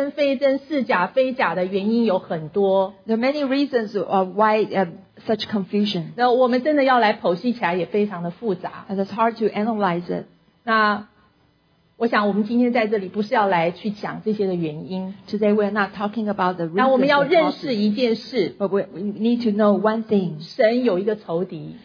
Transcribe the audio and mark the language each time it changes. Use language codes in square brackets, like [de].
[zh] 那造成这些是真非真、是假非假的原因有很多。 [en] There are many reasons of why such confusion. [zh] 那我们真的要来剖析起来也非常的复杂。 [en] And it's hard to analyze it. [zh] 那我想我们今天在这里不是要来去讲这些的原因。 [en] Today we're not talking about the reasons. [zh] 那我们要认识一件事。 [en] But we need to know one thing. [zh] 神有一个仇敌。